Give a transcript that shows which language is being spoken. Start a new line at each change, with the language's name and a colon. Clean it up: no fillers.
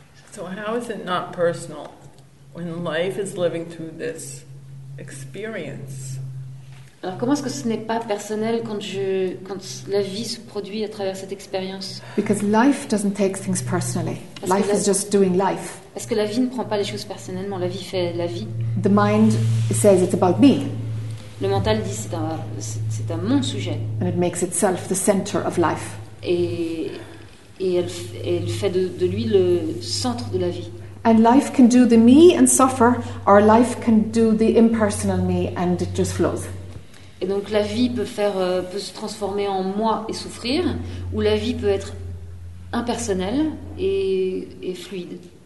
English: So how is it not personal when life is living through this experience?
French: Alors comment est-ce que ce n'est pas personnel quand la vie se produit à travers cette expérience?
English: Because life doesn't take things personally. Life is just doing life.
French: Parce que la vie ne prend pas les choses personnellement, la vie fait la vie.
English: The mind says it's about me.
French: Le mental dit c'est un mon sujet.
English: And it makes itself the center of life.
French: Et elle fait de lui le centre de la vie.
English: And life can do the me and suffer, or life can do the impersonal me and it just flows.
French: Et donc la vie peut se transformer en moi et souffrir, ou la vie peut être impersonnelle et fluide.